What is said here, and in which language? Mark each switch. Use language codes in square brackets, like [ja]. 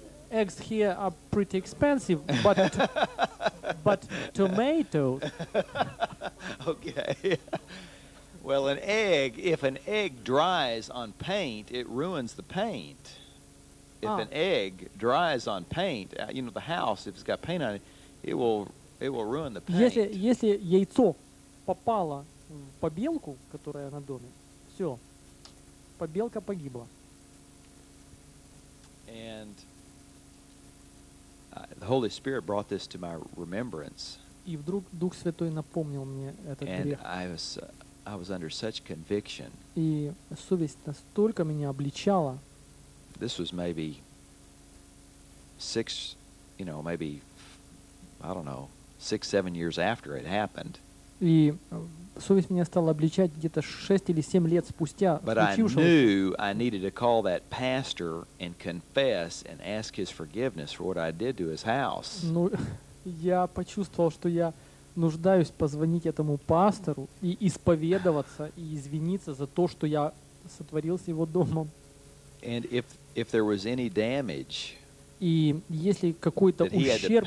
[en] Eggs here are pretty expensive, but but tomatoes. Okay. Well, an egg, if an egg dries on paint, it ruins the paint. If an egg dries on paint, you know, the house, if it's got paint on it, it will ruin the paint. [ru] Если яйцо попало в побелку, которая на доме, все, побелка погибла. [en] And the Holy Spirit brought this to my remembrance. [ru] И вдруг Дух Святой напомнил мне этот грех. [en] And I was under such conviction. [ru] И совесть настолько меня обличала. [en] This was maybe 6, you know, maybe I don't know, 6-7 years after it happened. [ru] И совесть меня стала обличать где-то 6 или 7 лет спустя. [en] But I knew I needed to call that pastor and confess and ask his forgiveness for what I did to his house. [ru] Ну, я почувствовал, что я нуждаюсь позвонить этому пастору и исповедоваться и извиниться за то, что я сотворил с его домом. [en] And if there was any damage, [ru] и если какой-то ущерб